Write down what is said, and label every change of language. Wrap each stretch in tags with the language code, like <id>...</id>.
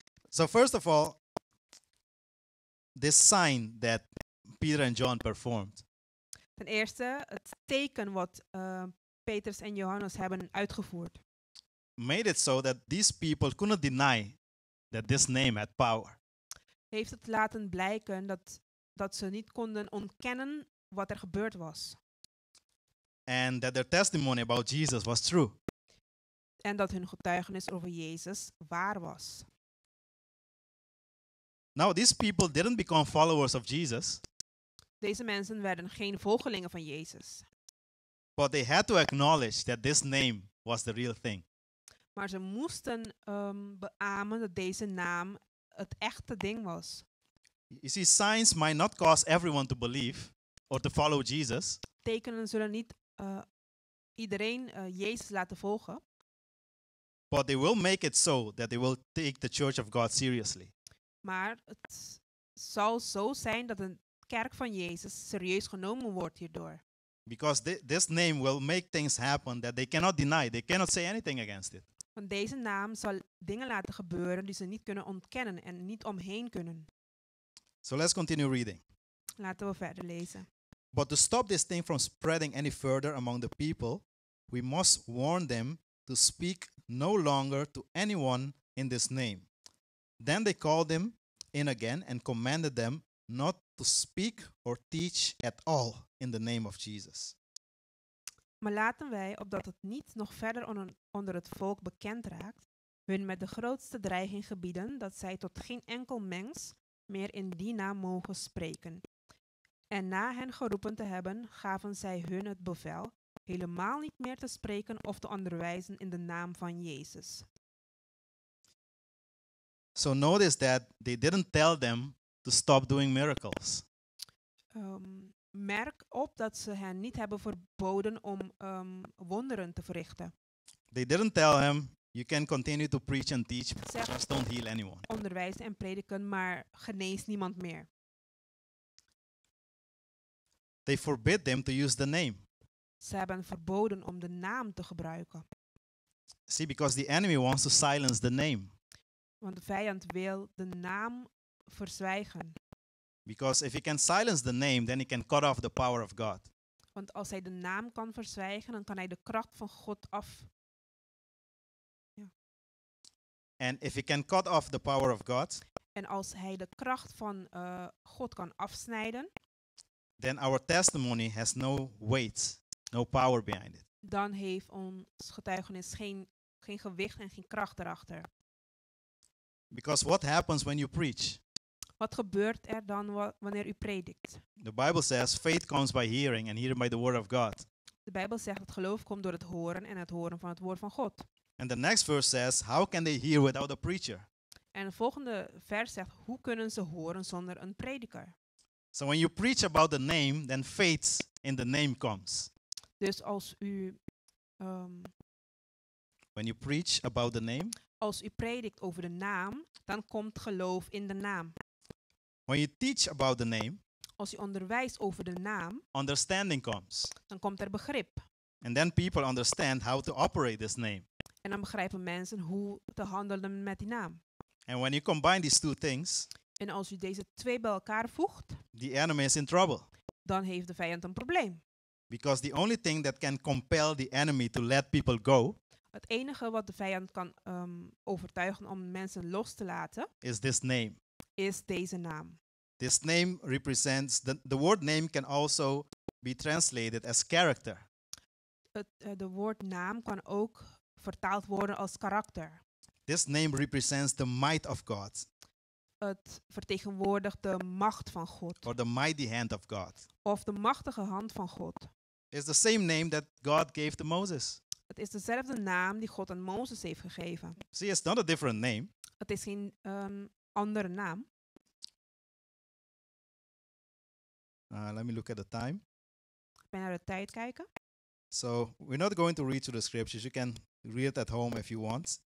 <en>So first of all, this sign that Peter and John performed.</en> <nl>Ten eerste, het teken wat Petrus en Johannes hebben uitgevoerd.</nl> <en>Made it so that these people couldn't deny that this name had power.</en> <nl>Heeft het laten blijken dat ze niet konden ontkennen wat er gebeurd was.</nl> <en>And that their testimony about Jesus was true.</en> <nl>En dat hun getuigenis over Jezus waar was.</nl> <en>Now these people didn't become followers of Jesus.</en> <nl>Deze mensen werden geen volgelingen van Jezus.</nl> <en>But they had to acknowledge that this name was the real thing.</en> <nl>Maar ze moesten beamen dat deze naam het echte ding was.</nl> <en>You see, signs might not cause everyone to believe or to follow Jesus.</en> <nl>Tekenen zullen niet iedereen Jezus laten volgen.</nl> <en>But they will make it so that they will take the church of God seriously.</en> <nl>Maar het zal zo zijn dat een kerk van Jezus serieus genomen wordt hierdoor.</nl> <en>Because this name will make things happen that they cannot deny. They cannot say anything against it.</en> <nl>Want deze naam zal dingen laten gebeuren die ze niet kunnen ontkennen en niet omheen kunnen.</nl> <en>So let's continue reading.</en> <nl>Laten we verder lezen.</nl> <en>But to stop this thing from spreading any further among the people, we must warn them to speak no longer to anyone in this name. Then they called them in again and commanded them not to speak or teach at all in the name of Jesus.</en> <nl>Maar laten wij, opdat het niet nog verder onder het volk bekend raakt, hun met de grootste dreiging gebieden dat zij tot geen enkel mens meer in die naam mogen spreken. En na hen geroepen te hebben, gaven zij hun het bevel helemaal niet meer te spreken of te onderwijzen in de naam van Jezus.</nl> <en>So notice that they didn't tell them to stop doing miracles.</en> <nl>Merk op dat ze hen niet hebben verboden om wonderen te verrichten.</nl> <en>They didn't tell him, you can continue to preach and teach, just don't heal anyone.</en> <nl>Onderwijs en prediken, maar genees niemand meer.</nl> <en>They forbid them to use the name.</en> <nl>Ze hebben verboden om de naam te gebruiken.</nl> <en>See, because the enemy wants to silence the name.</en> <nl>Want de vijand wil de naam verzwijgen.</nl> <en>Because if he can silence the name, then he can cut off the power of God.</en> <nl>Want als hij de naam kan verzwijgen, dan kan hij de kracht van God af. Ja.</nl> <en>And if he can cut off the power of God,</en> <nl>en als hij de kracht van God kan afsnijden,</nl> <en>then our testimony has no weight, no power behind it.</en> <nl>Dan heeft ons getuigenis geen gewicht en geen kracht erachter.</nl> <en>Because what happens when you preach?</en> <nl>Wat gebeurt er dan wanneer u predikt?</nl> <en>The Bible says faith comes by hearing and hearing by the word of God.</en> <nl>De Bijbel zegt dat geloof komt door het horen en het horen van het woord van God.</nl> <en>And the next verse says, how can they hear without a preacher?</en> <nl>En het volgende vers zegt, hoe kunnen ze horen zonder een prediker?</nl> <en>So when you preach about the name, then faith in the name comes.</en> <nl>Dus als u</nl> <en>when you preach about the name,</en> <nl>als u predikt over de naam, dan komt geloof in de naam.</nl> <en>When you teach about the name,</en> <nl>als u onderwijst over de naam,</nl> <en>understanding comes.</en> <nl>Dan komt er begrip.</nl> <en>And then people understand how to operate this name.</en> <nl>En dan begrijpen mensen hoe te handelen met die naam.</nl> <en>And when you combine these two things,</en> <nl>en als u deze twee bij elkaar voegt,</nl> <en>the enemy is in trouble.</en> <nl>Dan heeft de vijand een probleem.</nl> <en>Because the only thing that can compel the enemy to let people go,</en> <nl>het enige wat de vijand kan overtuigen om mensen los te laten,</nl> <en>is this name.</en> <nl>Is deze naam.</nl> <en>This name represents the word name can also be translated as character.</en> <nl>De woord naam kan ook vertaald worden als karakter.</nl> <en>This name represents the might of God.</en> <nl>Het vertegenwoordigt de macht van God.</nl> <en>Or the mighty hand of God.</en> <nl>Of de machtige hand van God.</nl> <en>It's the same name that God gave to Moses.</en> <nl>Het is dezelfde naam die God aan Mozes heeft gegeven.</nl> <en>See, it's not a different name.</en> <nl>Het is geen andere naam.</nl> <en>Let me look at the time.</en> <nl>Ik ben naar de tijd kijken.</nl> <en>So, we're not going to read through the scriptures. You can read it at home if you want.</en>